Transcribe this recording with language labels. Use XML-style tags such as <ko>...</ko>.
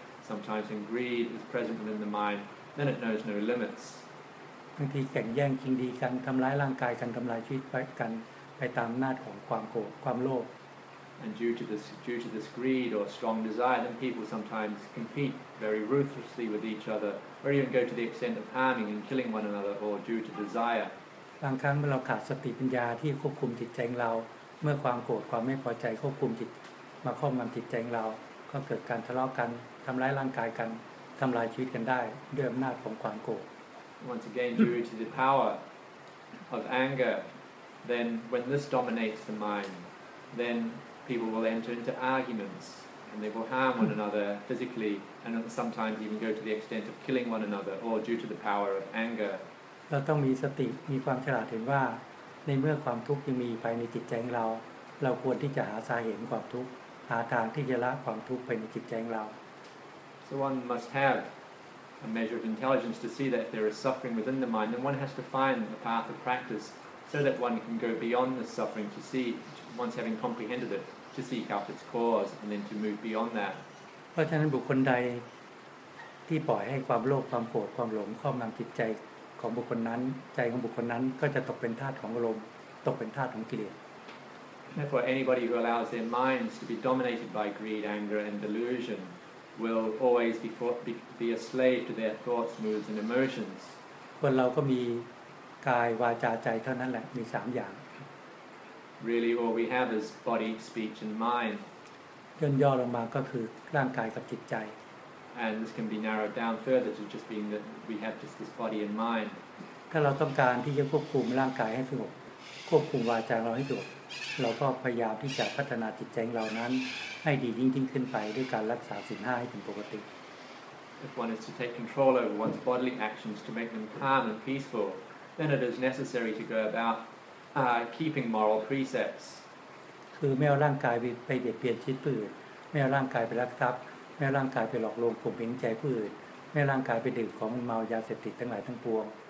<en>Sometimes when greed is present within the mind, then it knows no limits.</en> <th>บางทีแข่งแย่งชิงดีกันทำร้ายร่างกายกันทำลายชีวิตกันไปตามอำนาจของความโกรธความโลภ</th> <en>And due to this greed or strong desire, then people sometimes compete very ruthlessly with each other, or even go to the extent of harming and killing one another, or due to desire.</en> <th>บางครั้งเมื่อเราขาดสติปัญญาที่ควบคุมจิตใจเราเมื่อความโกรธความไม่พอใจควบคุมจิตมาครอบงำจิตใจเราก็เกิดการทะเลาะกันทำร้ายร่างกายกันทำลายชีวิตกันได้ด้วยอำนาจของความโกรธ</th> <en>Once again, due to the power of anger, then when this dominates the mind, then people will enter into arguments, and they will harm one another physically, and sometimes even go to the extent of killing one another, or due to the power of anger.</en> <th>เราต้องมีสติมีความฉลาดเห็นว่าในเมื่อความทุกข์ยังมีภายในจิตใจเราเราควรที่จะหาสาเหตุความทุกข์หาทางที่จะละความทุกข์ภายในจิตใจเรา</th> <en>So one must have. A measure of intelligence to see that if there is suffering within the mind, then one has to find a path of practice so that one can go beyond the suffering to see, once having comprehended it, to seek out its cause and then to move beyond that.</en> <th>เพราะฉะนั้นบุคคลใดที่ปล่อยให้ความโลภความโกรธความหลงครอบงำจิตใจของบุคคลนั้นใจของบุคคลนั้นก็จะตกเป็นทาสของอารมณ์ตกเป็นทาสของกิเลส</th> <en>Therefore, anybody who allows their minds to be dominated by greed, anger, and delusion. Will always be a slave to their thoughts, moods, and emotions.</en> <th>คนเราก็มีกายวาจาใจเท่านั้นแหละมีสามอย่าง</th> <en>Really, all we have is body, speech, and mind.</en> <th>ย่นย่อลงมาก็คือร่างกายกับจิตใจ</th> <en>And this can be narrowed down further to just being that we have just this body and mind.</en> <th>ถ้าเราต้องการที่จะควบคุมร่างกายให้สงบควบคุมวาจาเราให้สงบเราก็พยายามที่จะพัฒนาจิตใจเรานั้นให้ดียิ่งขึ้นไปด้วยการรักษาศีลห้าให้เป็นปกติ</th> <en>If one is to take control over one's bodily actions to make them calm and peaceful, then it is necessary to go about keeping moral precepts.</en> <th>คือไม่เอาร่างกายไปเบียดเบียนชีวิตผู้อื่นไม่เอาร่างกายไปรักทรัพย์ไม่เอาร่างกายไปหลอกลวงผูกเพ่งใจผู้อื่นไม่เอาร่างกายไปดื่มของมึนเมายาเสพติดทั้งหลายทั้งปวง</th>